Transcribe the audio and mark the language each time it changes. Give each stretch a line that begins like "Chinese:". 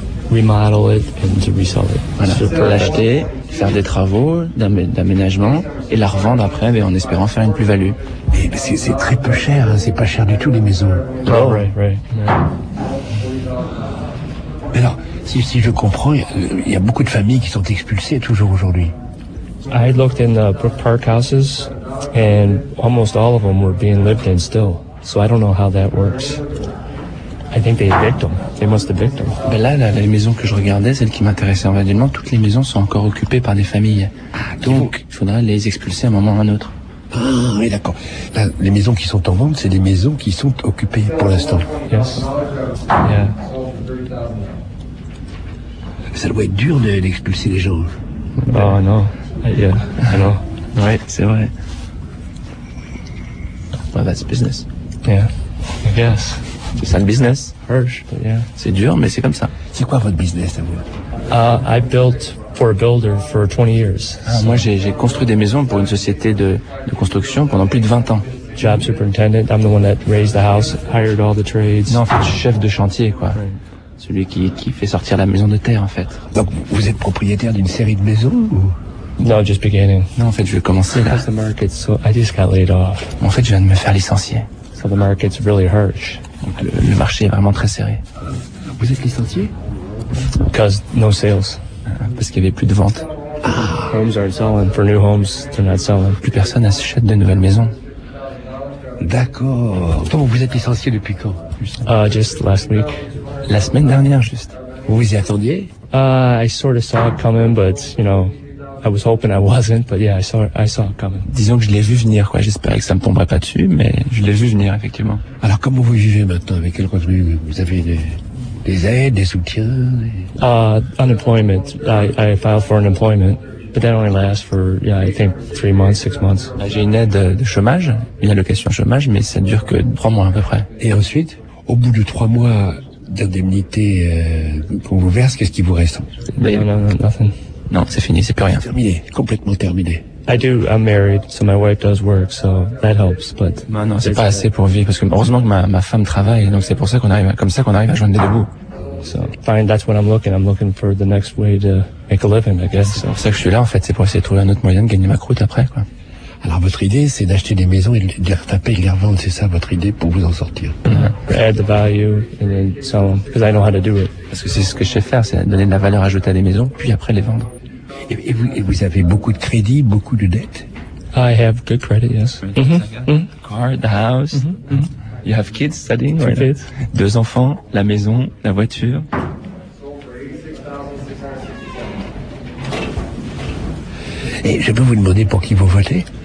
English: Remodel it and to resell it.
French: Voilà, pour l'acheter, faire des travaux d'aménagement et la revendre après, mais en espérant faire une plus-value. Et c'est très peu cher, hein. C'est pas cher du tout les maisons.
English: Oh, oh. Right.
French: Alors, si je comprends, il y a beaucoup de familles qui sont expulsées toujours aujourd'hui.
English: I looked in the Brook Park houses and almost all of them were being lived in still. So I don't know how that works. I think they evict them. They must evict them.
French: Ben là, les maisons que je regardais, celles qui m'intéressaient individuellement, toutes les maisons sont encore occupées par des familles. Donc, il faudra les expulser à un moment ou à un autre. Ah, oui, d'accord. Là, les maisons qui sont en vente, c'est les maisons qui sont occupées pour l'instant.
English: Yes. Yeah.
French: Ça doit être dur d'expulser les gens. Oh, non. Yeah. Alors. Ouais, c'est vrai.
English: Well, that's business. Yeah. Yes.
French: C'est ça le business.
English: Harsh, but yeah.
French: C'est dur, mais c'est comme ça. C'est quoi votre business à vous?
English: I built for a builder for 20 years.
French: Moi, j'ai construit des maisons pour une société de construction pendant plus de 20 ans.
English: Job superintendent, I'm the one that raised the house, hired all the trades.
French: Non, en fait, je suis chef de chantier, quoi. Right. Celui qui fait sortir la maison de terre, en fait. Donc, vous êtes propriétaire d'une série de maisons ou?
English: No, just beginning.
French: Non, en fait, je vais commencer là.
English: The market, so I just got laid off.
French: En fait, je viens de me faire licencier.
English: So the market's really harsh.
French: Donc le marché est vraiment très serré. Vous êtes licencié?
English: Because no sales.
French: Parce qu'il n'y avait plus de ventes.
English: Ah. Homes aren't selling. For new homes, they're not selling.
French: Plus personne n'achète de nouvelles maisons. D'accord. Donc vous êtes licencié depuis quand?
English: Just last week.
French: La semaine dernière, juste. Vous vous y attendiez?
English: I sort of saw it coming, but you know, I was hoping I wasn't, but yeah, I saw it coming.
French: Disons que je l'ai vu venir, quoi. J'espérais que ça me tomberait pas dessus, mais je l'ai vu venir, effectivement. Alors, comment vous vivez maintenant? Avec quel revenu? Vous avez des aides, des soutiens?
English: Unemployment. I filed for unemployment, but that only lasts for, yeah, I think 3 months, 6 months.
French: J'ai une aide de chômage, une allocation chômage, mais ça ne dure que 3 mois, à peu près. Et ensuite, au bout de 3 mois d'indemnité qu'on vous verse, qu'est-ce qui vous reste?
English: Nothing.
French: Non, c'est fini, c'est plus rien. Terminé, complètement terminé.
English: I do, I'm married, so my wife does work, so that helps, but...
French: Non, non, c'est pas assez pour vivre, parce que heureusement que ma femme travaille, donc c'est pour ça qu'on arrive, comme ça qu'on arrive à joindre les deux bouts.
English: So, fine, that's what I'm looking for the next way to make a living, I guess.
French: C'est pour ça que je suis là, en fait, c'est pour essayer de trouver un autre moyen de gagner ma croûte après, quoi. Alors votre idée, c'est d'acheter des maisons et de les retaper et de les revendre, c'est ça votre idée pour vous en sortir?
English: Add the value and then sell them, because I know how to do it.
French: Parce que c'est ce que je sais faire, c'est donner de la valeur ajoutée à des maisons, puis après les vendre. Et vous avez beaucoup de crédit, beaucoup de dettes?
English: I have good credit, yes. Car, the house, you have kids studying, right? Kids.
French: Deux enfants, la maison, la voiture. Et je peux vous demander pour qui vous votez?